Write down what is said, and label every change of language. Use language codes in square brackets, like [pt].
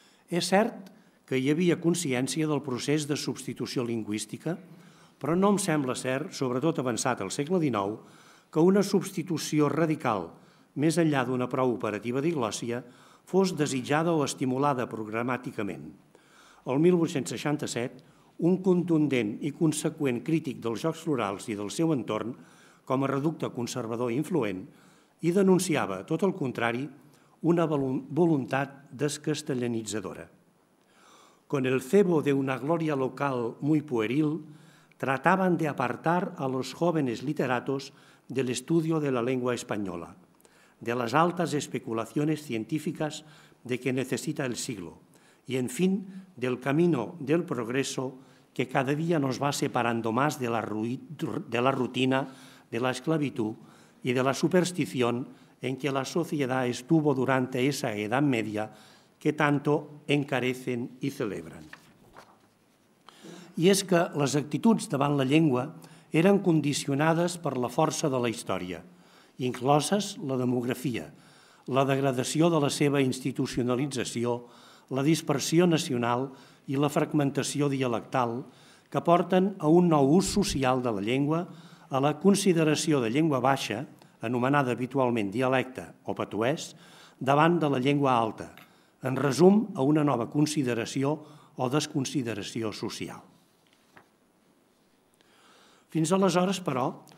[ca] És cert que hi havia consciència del procés de substitució lingüística, però no em sembla cert, sobretot avançat al segle XIX, que una substitució radical, més enllà d'una prou operativa diglòssia, fos desitjada o estimulada programàticament. El 1867, un contundent i conseqüent crític dels Jocs Florals i del seu entorn, com a reducte conservador i influent, hi denunciava, tot el contrari, una voluntat descastellanitzadora. [es] Con el cebo de una gloria local muy pueril, trataban de apartar a los jóvenes literatos del estudio de la lengua española, de las altas especulaciones científicas de que necesita el siglo, y en fin, del camino del progreso que cada día nos va separando más de la rutina, de la esclavitud y de la superstición en que la sociedad estuvo durante esa edad media que tanto encarecen y celebran. [ca] I és que les actituds davant la llengua eren condicionades per la força de la història, incloses la demografia, la degradació de la seva institucionalització, la dispersió nacional i la fragmentació dialectal que porten a un nou ús social de la llengua, a la consideració de llengua baixa, anomenada habitualment dialecte o patuès, davant de la llengua alta, en resum, a una nova consideració o desconsideració social. Fins aleshores, però,